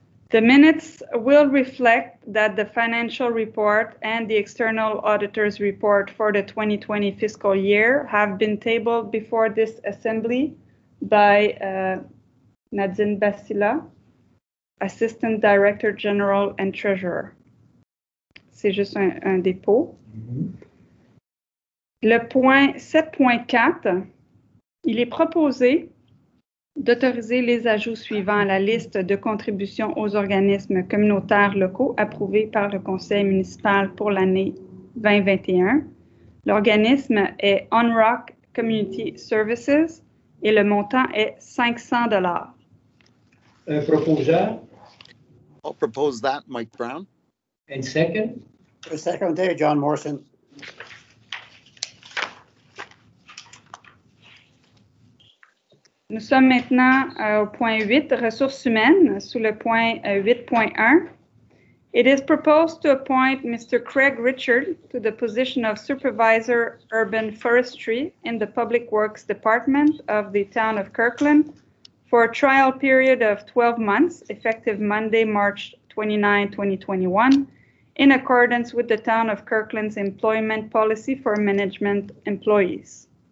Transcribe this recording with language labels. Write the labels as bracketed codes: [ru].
[en] The minutes will reflect that the financial report and the external auditor's report for the 2020 fiscal year have been tabled before this assembly by Nadine Bassila, Assistant Director General and Treasurer. [fr] C'est juste un dépôt. Mm-hmm. Le point 7.4, il est proposé d'autoriser les ajouts suivants à la liste de contributions aux organismes communautaires locaux approuvés par le conseil municipal pour l'année 2021. L'organisme est On Rock Community Services et le montant est 500 $. Un proposeur. [en] I'll propose that, Mike Brown. And second. A second day, John Morrison. [fr] Nous sommes maintenant au point 8, ressources humaines, sous le point 8.1. [en] It is proposed to appoint Mr. Craig Richard to the position of Supervisor Urban Forestry in the Public Works Department of the Town of Kirkland for a trial period of 12 months, effective Monday, March 29, 2021, in accordance with the Town of Kirkland's Employment Policy for Management Employees.